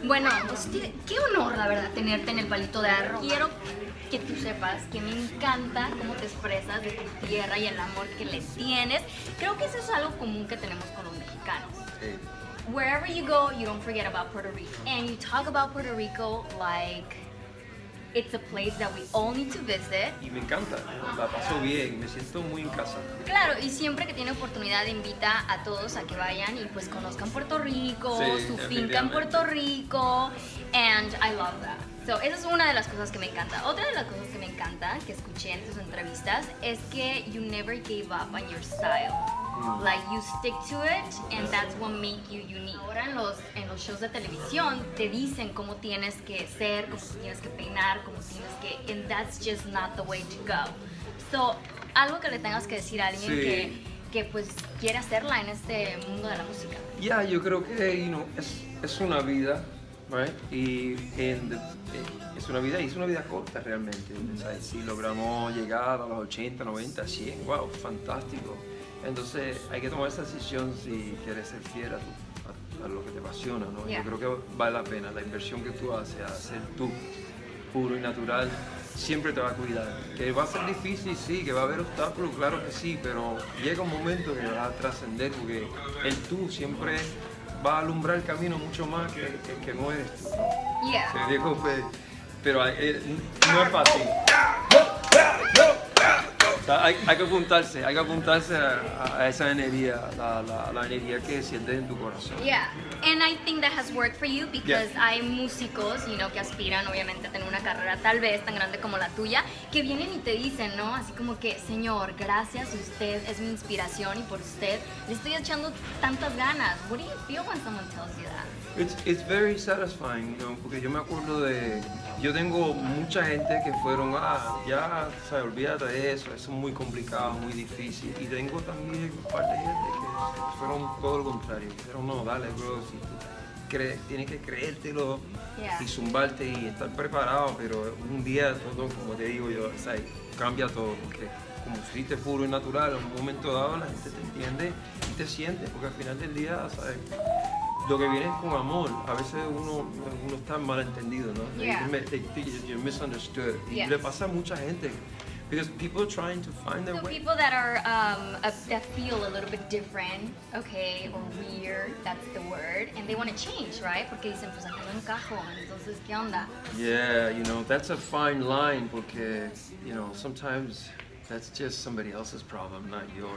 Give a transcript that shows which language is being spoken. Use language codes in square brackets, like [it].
[es] Bueno, pues qué honor, la verdad, tenerte en El Palito de Arroz. Quiero que tú sepas que me encanta cómo te expresas de tu tierra y el amor que le tienes. Creo que eso es algo común que tenemos con los mexicanos. Sí. [en] Wherever you go, you don't forget about Puerto Rico. And you talk about Puerto Rico like it's a place that we all need to visit. [es] Y me encanta, la paso bien, me siento muy en casa. Claro, y siempre que tiene oportunidad invita a todos a que vayan y pues conozcan Puerto Rico, sí, su finca en Puerto Rico, [en] and I love that. [es] So, esa es una de las cosas que me encanta. Otra de las cosas que me encanta, que escuché en tus entrevistas, es que [en] you never gave up on your style. Like, you stick to it, and that's what makes you unique. [es] Ahora en los shows de televisión te dicen cómo tienes que ser, cómo tienes que peinar, cómo tienes que... [en] And that's just not the way to go. [es] So, algo que le tengas que decir a alguien sí. que pues quiere hacerla en este mundo de la música. Ya, yeah, yo creo que, you know, es una vida, right? Y es una vida, y es una vida corta realmente. ¿Sabes? Si logramos llegar a los 80, 90, 100, wow, fantástico. Entonces, hay que tomar esa decisión si quieres ser fiel a lo que te apasiona, ¿no? [en] Yeah. [es] Yo creo que vale la pena. La inversión que tú haces a ser tú, puro y natural, siempre te va a cuidar. Que va a ser difícil, sí, que va a haber obstáculos, claro que sí, pero llega un momento que vas a trascender, porque el tú siempre va a alumbrar el camino mucho más que el que no eres tú, ¿no? Yeah. Se dijo, pues, pero no es fácil. O sea, hay que apuntarse a esa energía, la energía que sientes en tu corazón. [en] Yeah, and I think that has worked for you because yeah. [es] Hay músicos, you know, que aspiran obviamente a tener una carrera tal vez tan grande como la tuya, que vienen y te dicen, ¿no? Así como que, señor, gracias, usted es mi inspiración y por usted le estoy echando tantas ganas. [en] What do you feel when someone tells you that? It's very satisfying, you know, [es] porque yo me acuerdo de... Yo tengo mucha gente que fueron, ya, o sea, olvídate de eso, es muy complicado, muy difícil. Y tengo también un par de gente que fueron todo lo contrario. Dijeron, no, dale, bro, si tú tienes que creértelo yeah. y zumbarte y estar preparado, pero un día todo, como te digo yo, o sea, cambia todo, porque como fuiste puro y natural, en un momento dado la gente te entiende y te siente, porque al final del día, ¿sabes? Lo que viene es con amor. A veces uno está mal entendido, ¿no? [en] You're misunderstood. Yes. [es] Y le pasa a mucha gente. [en] Because people are trying to find their so way. So people that are that feel a little bit different, okay, or weird, that's the word, and they want to change, right? [es] Porque dicen, pues acá no encajo, entonces, ¿qué onda? [en] Yeah, you know, that's a fine line, porque, you know, sometimes that's just somebody else's problem, not yours.